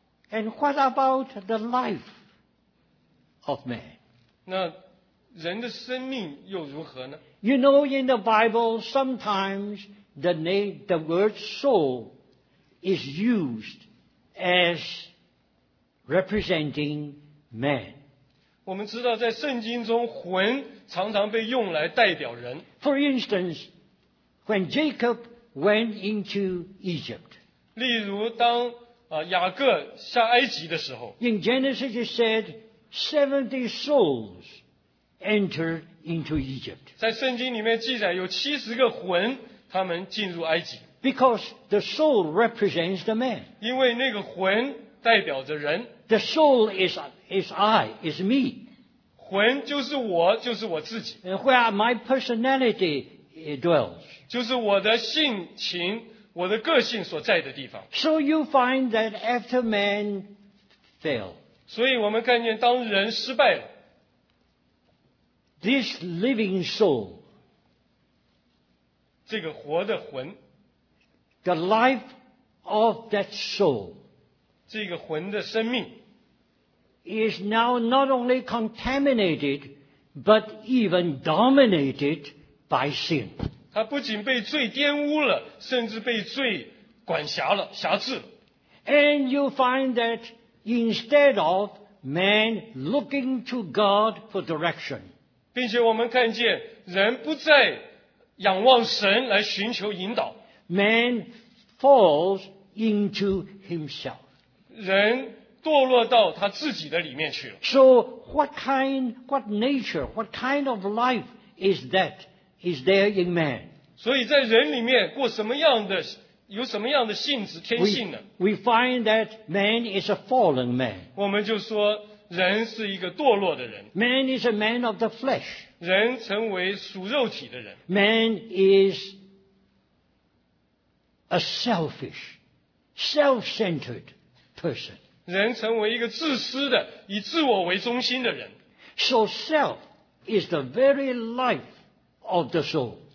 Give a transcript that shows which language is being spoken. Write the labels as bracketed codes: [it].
[en] And what about the life of man? [zh] 那人的生命又如何呢? [en] You know, in the Bible, sometimes the word soul is used as representing Man. [zh] 我们知道在圣经中魂常常被用来代表人。 [en] For instance, when Jacob went into Egypt. [zh] 例如当雅各下埃及的时候。 [en] In Genesis it said, 70 souls entered into Egypt. [zh] 在圣经里面记载有70个魂他们进入埃及。 [en] Because the soul represents the man. [zh] 因为那个魂代表着人。 [en] The soul is I, is me. [zh] 魂就是我，就是我自己。 [en] Where my personality dwells. [zh] 就是我的性情，我的个性所在的地方。 [en] So you find that after man fell. [zh] 所以我们看见当人失败了。 [en] This living soul. [zh] 这个活的魂。 [en] The life of that soul. [zh] 这个魂的生命。 [en] Is now not only contaminated, but even dominated by sin. [zh] 他不仅被罪玷污了，甚至被罪管辖了，辖制了。 [en] And you find that instead of man looking to God for direction, [zh] 并且我们看见人不再仰望神来寻求引导。 [en] Man falls into himself. [zh] 人堕落到他自己的里面去了。 [en] So, what kind, what nature, what kind of life is that, is there in man? [zh] 所以在人里面过什么样的有什么样的性质天性呢？ [en] We find that man is a fallen man. [zh] 我们就说人是一个堕落的人。 [en] Man is a man of the flesh. [zh] 人成为属肉体的人。 [en] Man is a selfish, self-centered person. [zh] 人成为一个自私的，以自我为中心的人。 [en] So self is the very life of the soul.